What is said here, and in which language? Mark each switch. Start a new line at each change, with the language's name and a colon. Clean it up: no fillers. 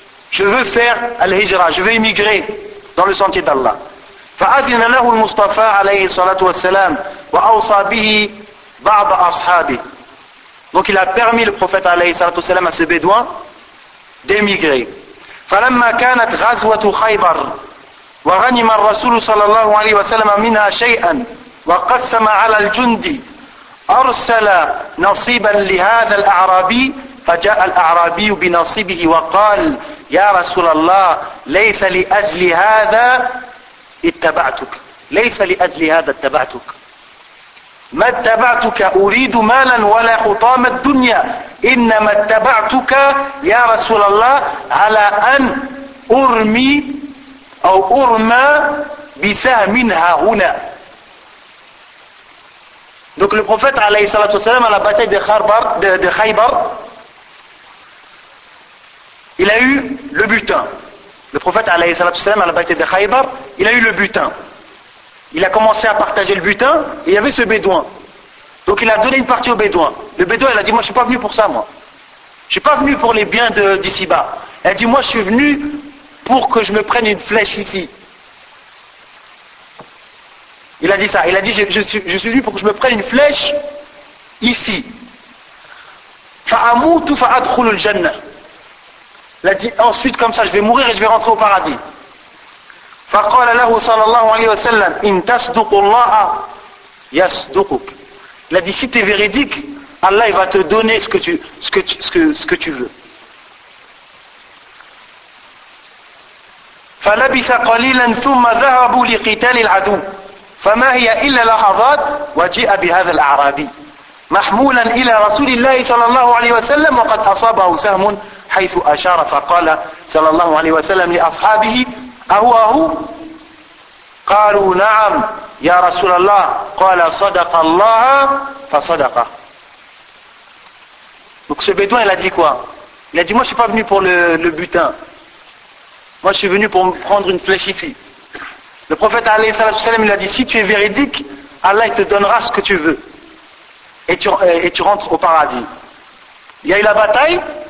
French: Je veux faire al-hijra, je veux immigrer dans le sentier d'Allah.
Arabic: فَأَذِنَ لَهُ الْمُصْطَفَى عَلَيْهِ الصَّلَاةُ وَالسَّلَامُ وَأَوْصَى بِهِ بَعْضَ أَصْحَابِهِ.
French: Donc il a permis le prophète
Arabic: عليه الصلاة والسلام
French: à ce bédouin d'émigrer.
Arabic: فَلَمَّا كَانَتْ غَزْوَةُ خَيْبَرْ وَغَنِمَ الرَّسُولُ صَلَى اللَّهُ عَلَيْهِ وَسَلَمَ مِنْهَا شَيْئًا وَقَسَّمَ عَلَى الْجُنْدِ أَرْسَلَ نَصِيبًا لِهَذَا الْأَعْرَابِي فَجَاءَ الْأَعْرَابِيُّ بِنَصِيبِهِ وَقَالَ يَا رَسُولَ اللَّهِ لَيْسَ لِأَجْلِ هَذَا اتبعتك ليس لأجل هذا اتبعتك ما اتبعتك أريد مالا ولا حطام الدنيا إنما اتبعتك يا رسول الله على أن أرمي أو أرمى بسهمها هنا.
French: Donc le prophète
Arabic: عليه الصلاة والسلام
French: à la bataille de Khaybar, il a eu le butin. Le prophète,
Arabic: alayhi salatu salam,
French: à la bataille de Khaybar, il a eu le butin. Il a commencé à partager le butin, et il y avait ce bédouin. Donc il a donné une partie au bédouin. Le bédouin, il a dit, moi je ne suis pas venu pour ça, moi. Je ne suis pas venu pour les biens d'ici-bas. Il a dit, moi je suis venu pour que je me prenne une flèche ici. Il a dit ça. Il a dit, je suis venu pour que je me prenne une flèche ici.
Arabic: فَأَمُوتُ فَأَدْخُلُ الْجَنَّةِ.
French: Il a dit, ensuite comme ça, je vais mourir et je vais rentrer au paradis.
Arabic: فَقَالَ لَهُ صَلَى اللَّهُ عَلَيْهُ وَسَلَّمْ إِن تَصْدُقُ اللَّهَ يَصْدُقُكُ.
French: Il a dit, si tu es véridique, Allah il va te donner ce que tu veux.
Arabic: فَلَبِثَ قَلِيلًا ثُمَّ ذَهَبُوا لِقِتَالِ الْعَدُوْ فَمَا هِيَ إِلَّا لَحَظَاتٍ وَجِئَ بِهَذَا الْأَعْرَابِي مَحْمُولًا إِلَى رَسُولِ اللَّهِ صَلَى اللَّهُ عَلَيْهِ وَسَلَّمْ وَقَدْ أَصَابَهُ سَهْمٌ حيث أشار فقال صلى الله عليه وسلم لأصحابه أهو أهو قالوا نعم يا رسول الله قال صدق الله فصدق.
French: Donc ce bédouin il a dit quoi? Il a dit moi je suis pas venu pour le butin, moi je suis venu pour prendre une flèche ici. Le prophète
Arabic: عليه الصلاة والسلام
French: il a dit si tu es véridique Allah te donnera ce que tu veux et tu rentres au paradis. Il y a eu la bataille.